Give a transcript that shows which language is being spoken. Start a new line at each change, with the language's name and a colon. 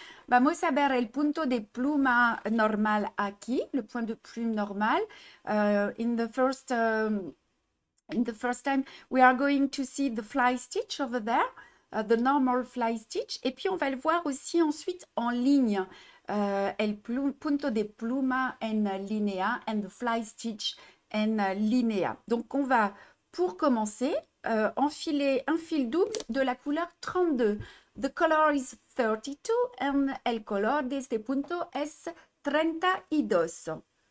Spanish: Vamos a ver el punto de pluma normal aquí,
French: le point de plume normal.
English: In the first time, we are going to see the fly stitch over there, the normal fly stitch.
French: Et puis, on va le voir aussi ensuite en ligne.
Spanish: El punto de pluma en linea
English: and the fly stitch
Spanish: en linea.
French: Donc, on va, pour commencer, enfiler un fil double de la couleur 32.
English: The color is 32 and
Spanish: el color de este punto es 32.